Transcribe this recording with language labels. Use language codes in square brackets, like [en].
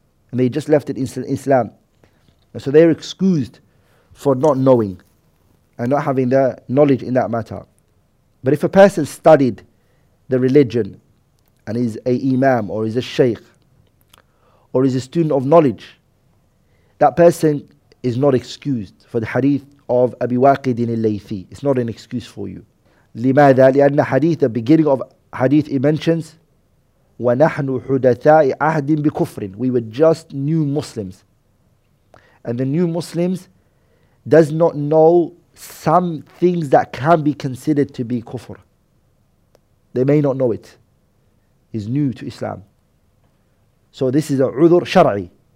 [en] And they just left it in Islam. And so they're excused for not knowing and not having the knowledge in that matter. But if a person studied the religion and is a imam or is a sheikh or is a student of knowledge, that person is not excused for the hadith of Abi Waqid al-Laythi. It's not an excuse for you. [ar] لماذا؟ لأن حديث, [en] the beginning of hadith, it mentions [ar] وَنَحْنُ حُدَثَاءِ عَهْدٍ بِكُفْرٍ. [en] We were just new Muslims. And the new Muslims does not know some things that can be considered to be kufr. They may not know it. It's new to Islam. So this is a udhur shar'i.